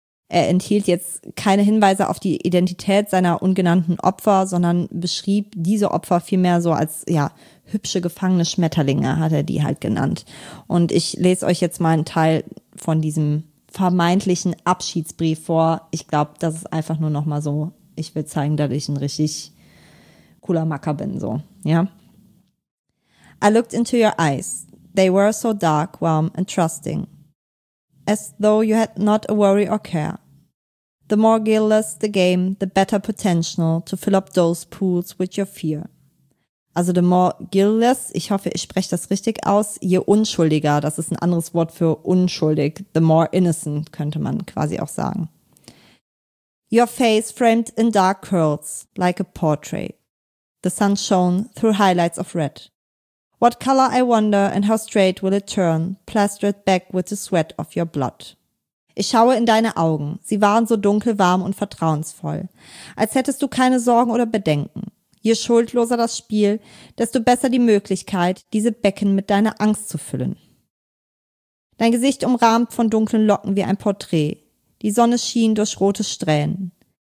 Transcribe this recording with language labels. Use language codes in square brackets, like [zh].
[de] Er enthielt jetzt keine Hinweise auf die Identität seiner ungenannten Opfer, sondern beschrieb diese Opfer vielmehr so als, ja, hübsche gefangene Schmetterlinge, hat er die halt genannt. Und ich lese euch jetzt mal einen Teil von diesem vermeintlichen Abschiedsbrief vor. Ich glaube, das ist einfach nur noch mal so, ich will zeigen, dass ich ein richtig cooler Macker bin, so, ja. [en] I looked into your eyes. They were so dark, warm and trusting. As though you had not a worry or care. The more guiltless the game, the better potential to fill up those pools with your fear. [de] Also [en] the more guiltless, [de] ich hoffe, ich spreche das richtig aus, je unschuldiger, das ist ein anderes Wort für unschuldig, [en] the more innocent, [de] könnte man quasi auch sagen. [en] Your face framed in dark curls, like a portrait. The sun shone through highlights of red. What color, I wonder, and how straight will it turn, plastered back with the sweat of your blood. [de] Ich schaue in deine Augen. Sie waren so dunkel, warm und vertrauensvoll. Als hättest du keine Sorgen oder Bedenken. Je schuldloser das Spiel, desto besser die Möglichkeit, diese Becken mit deiner Angst zu füllen. Dein Gesicht umrahmt von dunklen Locken wie ein Porträt. Die Sonne schien durch rote Strähnen.